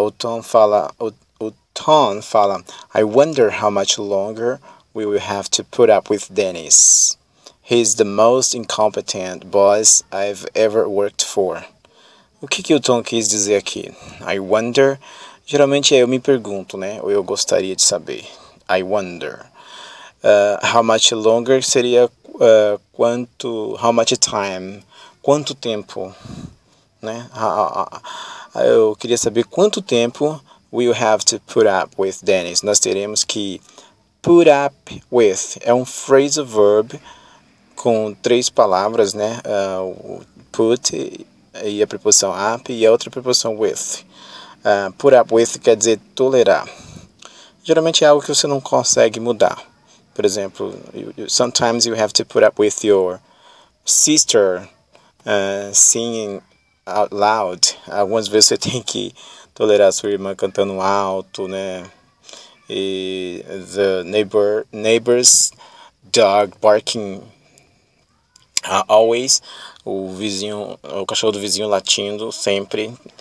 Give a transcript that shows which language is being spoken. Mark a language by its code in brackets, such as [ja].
[pt] O Tom fala, [en] I wonder how much longer we will have to put up with Dennis. He's the most incompetent boss I've ever worked for. [pt] O que que o Tom quis dizer aqui? [en] I wonder. [pt] Geralmente eu me pergunto, né? Ou eu gostaria de saber. I wonder. [en] How much longer [pt] seria quanto? [en] How much time? [pt] Quanto tempo? Né? Eu queria saber quanto tempo [en] we'll have to put up with Dennis. [pt] Nós teremos que [en] put up with. [pt] É um phrasal verb com três palavras, né? Put e a preposição up e a outra preposição with. Put up with quer dizer tolerar. Geralmente é algo que você não consegue mudar. Por exemplo, [en] sometimes you have to put up with your sister singing out loud. [pt] Algumas vezes você tem que tolerar sua irmã cantando alto, né? [en] E the neighbor's dog barking. Always, [pt] o cachorro do vizinho latindo, sempre.